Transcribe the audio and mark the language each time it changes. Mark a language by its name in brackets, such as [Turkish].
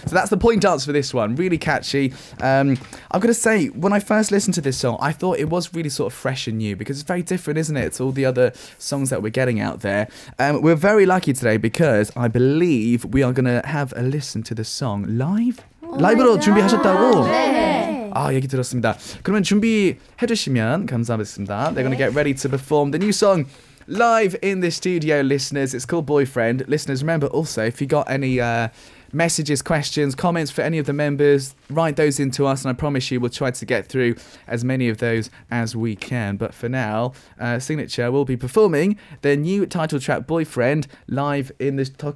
[English] So that's the point dance for this one. Really catchy. I've got to say, when I first listened to this song, I thought it was really sort of fresh and new because it's very different, isn't it, to all the other songs that we're getting out there. We're very lucky today because I believe we are gonna have a listen to the song live. Oh [Korean] 라이브로 준비하셨다고? 네. 아, 얘기 들었습니다. 그러면 준비해 주시면 감사하겠습니다. [English] They're gonna get ready to perform the new song live in the studio, listeners. It's called Boyfriend. Listeners, remember also, if you got any messages, questions, comments for any of the members, write those into us, and I promise you we'll try to get through as many of those as we can. But for now, Signature will be performing their new title track, Boyfriend, live in the...